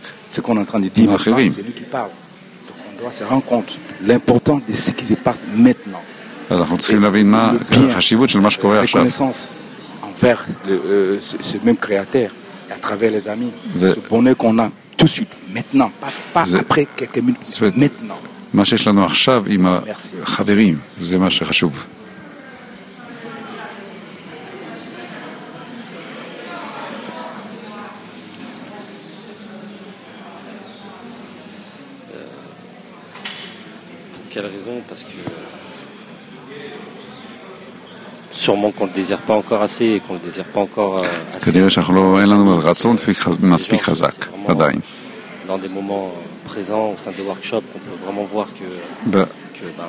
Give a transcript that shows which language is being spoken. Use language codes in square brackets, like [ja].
[fr] Ce qu'on est en train de dire, c'est lui qui parle. Donc on doit se rendre compte l'important de ce qui se passe maintenant. La reconnaissance envers ce même créateur, à travers les amis, ce bonheur qu'on a tout de suite, maintenant, pas après quelques minutes, maintenant. [he] מה שיש לנו עכשיו עם החברים, זה מה שחשוב. [fr] Quelle raison? Parce que sûrement qu'on ne désire pas encore assez et qu'on ne désire pas encore assez. [he] כנראה שאנחנו לא, אין לנו רצון מספיק חזק, עדיין. [fr] Dans des moments présents au sein des workshops, on peut vraiment voir que.